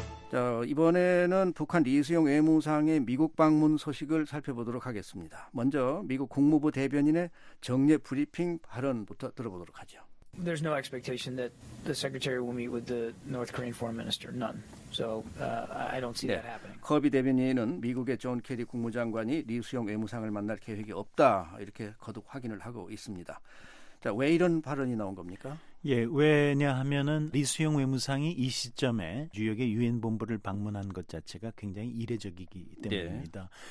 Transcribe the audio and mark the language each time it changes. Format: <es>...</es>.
<ko>자, 이번에는 북한 리수용 외무상의 미국 방문 소식을 살펴보도록 하겠습니다. 먼저 미국 국무부 대변인의 정례 브리핑 발언부터 들어보도록 하죠.</ko> <en>There's no expectation that the secretary will meet with the North Korean foreign minister. None. So I don't see that happening.</en> <ko>커비 대변인은 미국의 존 케리 국무장관이 리 수용 외무상을 만날 계획이 없다 이렇게 거듭 확인을 하고 있습니다. 자, 왜 이런 발언이 나온 겁니까? 예, 왜냐하면은 리 수용 외무상이 이 시점에 뉴욕의 유엔 본부를 방문한 것 자체가 굉장히 이례적이기 때문입니다.</ko>